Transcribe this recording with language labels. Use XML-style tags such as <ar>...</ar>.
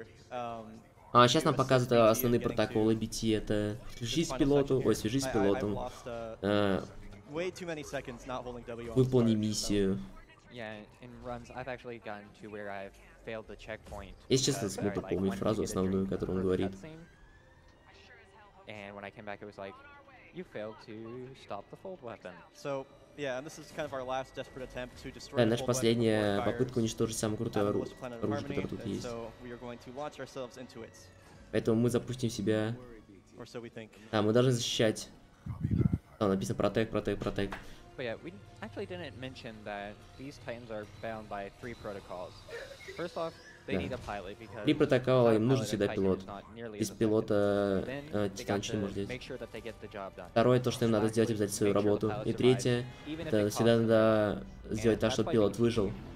<ru>А сейчас нам показывают основные протоколы BT, это свяжись с пилотом, выполни миссию. Если честно, смотрю, помню фразу основную, которую он говорит.</ru> <en>And when I came back, it was like, you failed to stop the fold weapon. So, yeah, and this is kind of our last desperate attempt to destroy</en> <ru>наша последняя попытка уничтожить самое крутое оружие, которое тут есть.</ru> <en>So we are going to launch ourselves into it.</en> <ru>Поэтому мы запустим себя.</ru> <en>Or so we think.</en> <ru>Да, мы должны защищать. Там написано протек, протек, протек.</ru> <en>But yeah, we actually didn't mention that these Titans are bound by three protocols. First off, they need a pilot because</en> <ru>три протокола, им нужен всегда пилот. Без пилота Титан не может здесь.</ru> <en>Sure.</en> <ru>Второе, то, что им надо сделать, обязательно свою работу. И третье, это всегда надо сделать так, чтобы пилот выжил.</ru>